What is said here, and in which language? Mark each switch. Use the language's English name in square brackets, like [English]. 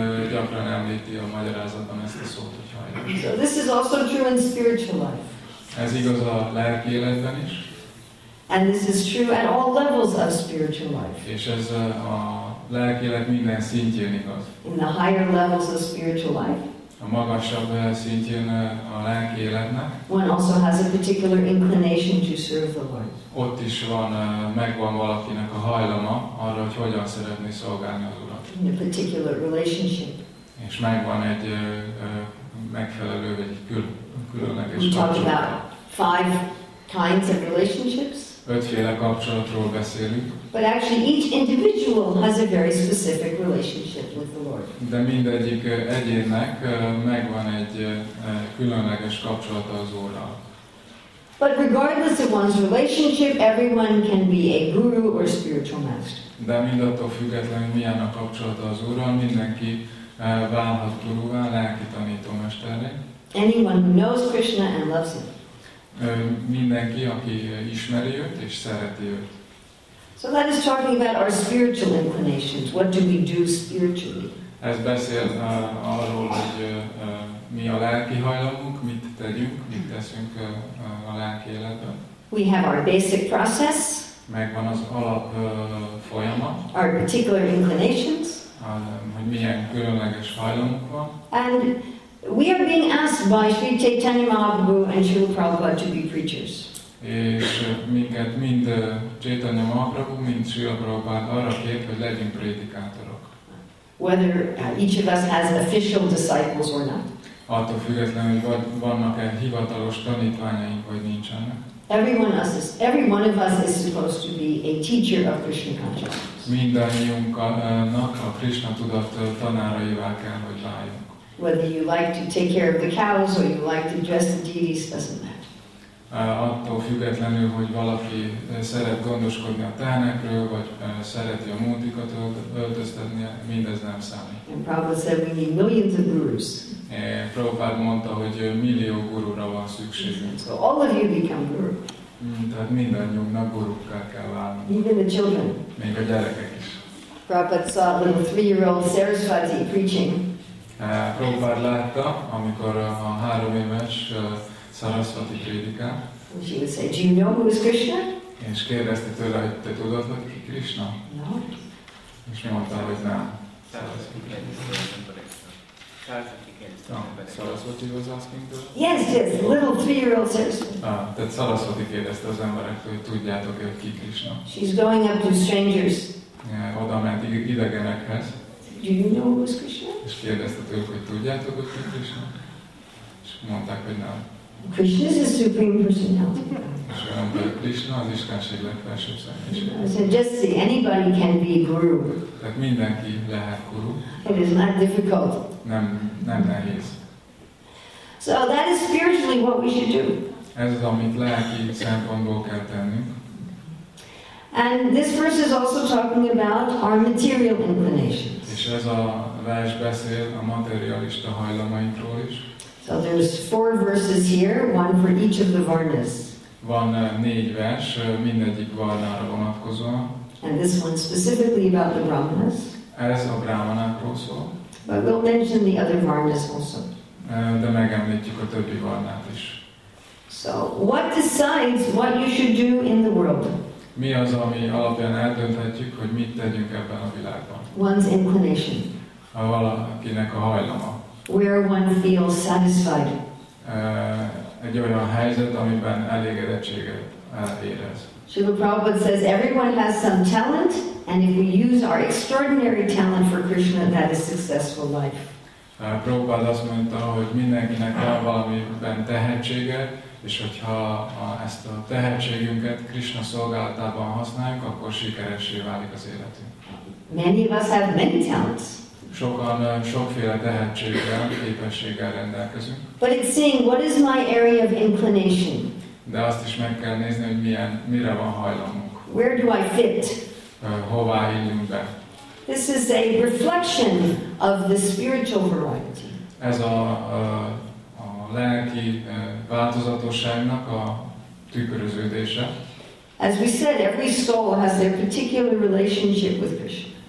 [Hungarian] Gyakran említi a magyarázatban ezt a szót, hogy pailam. [English] So this is also true in spiritual life. [Hungarian] Ez igaz a lelki életben is. [English] And this is true at all levels of spiritual life. [Hungarian] És ez a lelki élet minden szintjén igaz. [English] In the higher levels of spiritual life. [Hungarian] A magasabb szintjén a lelki életnek. [English] One also has a particular inclination to serve the Lord. [Hungarian] Ott is van, megvan valakinek a hajlama arra, hogy hogyan szeretné szolgálni az Urat. [English] In a particular relationship. [Hungarian] És megvan egy megfelelő, vagy egy [English] We talked about five kinds of relationships. [Hungarian] Ötféle kapcsolatról beszélünk. [English] But actually each individual has a very specific relationship with the Lord. [Hungarian] De mindegyik egyének megvan egy különleges kapcsolata az Úrral. [English] But regardless of one's relationship, everyone can be a guru or spiritual master. [Hungarian] De mindattól függetlenül, milyen a kapcsolata az Úrral, mindenki válhat guruvá, lelki tanítómesterre. [English] Anyone who knows Krishna and loves him. [Hungarian] Mindenki, aki ismeri őt és szereti őt. [English] So that is talking about our spiritual inclinations. What do we do spiritually? [Hungarian] Ez beszél arról, hogy mi a lelki hajlamunk, mit tegyünk, mit teszünk a lelki életben. [English] We have our basic process. [Hungarian] Megvan az alap folyamat. [English] Our particular inclinations. [Hungarian] Hogy milyen különleges hajlamunk van. [English] And we are being asked by Sri Chaitanya Mahaprabhu and Srila Prabhupada to be preachers. [Hungarian] És minket mind Chaitanya Mahaprabhu, mind Srila Prabhupada arra kért, hogy legyünk prédikátorok. [English] Whether each of us has official disciples or not. [Hungarian] Attól függetlenül, hogy vannak-e hivatalos tanítványaink, vagy nincsenek. [English] Every one of us is supposed to be a teacher of Krishna consciousness. [Hungarian] Mindannyiunknak a Krishna tudat tanáraivá kell, hogy váljunk. [English] Whether you like to take care of the cows or you like to dress the deities, doesn't matter. [Hungarian] Attól függetlenül, hogy valaki szeret gondoskodni a tehenekről, vagy szereti a mótikat öltöztetni, mindez nem számít. [English] And Prabhupada said we need millions of gurus. [Hungarian] Prabhupada mondta, hogy millió gurúra van szükségünk. [English] So all of you become guru. [Hungarian] Tehát mindannyiunknak gurukká kell válni. [English] Even the children. [Hungarian] Még a gyerekek is. [English] Prabhupada saw a little 3-year-old Sarasvati preaching. [Hungarian] Prabhupád látta, amikor a 3 éves Sarasvati prédikál. [English] She would say, "Do you know who is Krishna?" [Hungarian] És kérdezte tőle, hogy te tudod, hogy ki Krishna? [English] No. [Hungarian] És mi mondta, hogy nem. [English] Sarasvati was asking to? Yes, little 3-year-old Sarasvati. [Hungarian] Tehát Sarasvati kérdezte az emberektől, hogy tudjátok, hogy ki Krishna. [English] She's going up to strangers. [Hungarian] Oda ment idegenekhez. [English] Do you know who is Krishna? [Hungarian] És kérdezte tőlük, hogy tudjátok, hogy ki Krishna? És mondták, hogy nem. [English] Krishna is a supreme personality. [Hungarian] És olyan, hogy Krishna az Istenség legfelsőbb személyiség. [English] So just see, anybody can be guru. [Hungarian] Tehát mindenki lehet guru. [English] It is not difficult. [Hungarian] Nem nehéz. [English] So that is spiritually what we should do. [Hungarian] Ez az, amit lelki szempontból kell tennünk. [English] And this verse is also talking about our material inclinations. [Hungarian] És ez a vers beszél a materialista hajlamainkról is. [English] So there's 4 verses here, one for each of the varnas. [Hungarian] Van 4 vers, mindegyik varnára vonatkozóan. [English] And this one specifically about the brahmanas. [Hungarian] Ez a brahmanákról szól. [English] But we'll mention the other varnas also. [Hungarian] De megemlítjük a többi varnát is. [English] So what decides what you should do in the world? [Hungarian] Mi az, ami alapján eldönthetjük, hogy mit tegyünk ebben a világban? [English] One's inclination. [Hungarian] A valakinek a hajlama. [English] Where one feels satisfied. [Hungarian] Egy olyan helyzet, amiben elégedettséget érez. [English] Srila Prabhupada says everyone has some talent, and if we use our extraordinary talent for Krishna, that is successful life. [Hungarian] Prabhupada azt mondta, hogy mindenkinek van valamiben tehetsége, és hogyha ezt a tehetségünket Krishna szolgálatában használjuk, akkor sikeressé válik az életünk. [English] Many of us have many talents. [Hungarian] Sokan sokféle tehetséggel, képességgel rendelkezünk. [English] But it's saying, what is my area of inclination? [Hungarian] De azt is meg kell nézni, hogy mire van hajlamunk. [English] Where do I fit? [Hungarian] Hová illünk be? [English] This is a reflection of the spiritual variety. [Hungarian] Ez a lelki változatosságnak a tükröződése. [English] As we said, every soul has their particular relationship with Krishna.